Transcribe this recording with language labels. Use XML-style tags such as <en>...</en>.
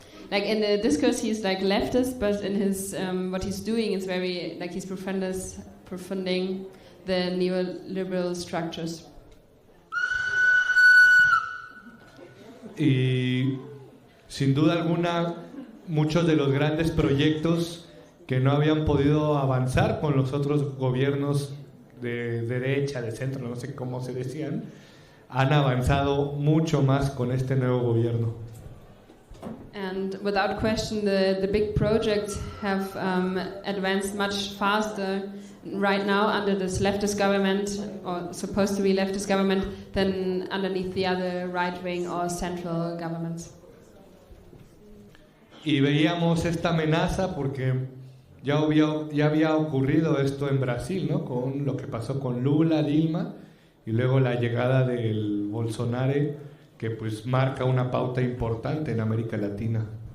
<en>Like in the discourse, he's like leftist, but in his what he's doing is very like he's profunding the neoliberal structures.</en> <es>Y sin duda alguna, muchos de los grandes proyectos que no habían podido avanzar con los otros gobiernos de derecha, de centro, no sé cómo se decían, han avanzado mucho más con este nuevo gobierno.</es> <en>And without question, the big projects have advanced much faster right now under this leftist government, or supposed to be leftist government, than underneath the other right wing or central governments.</en> <es>Y veíamos esta amenaza porque ya había ocurrido esto en Brasil, ¿no? Con lo que pasó con Lula, Dilma. Y luego la llegada del Bolsonaro, que pues marca una pauta importante en América Latina.</es>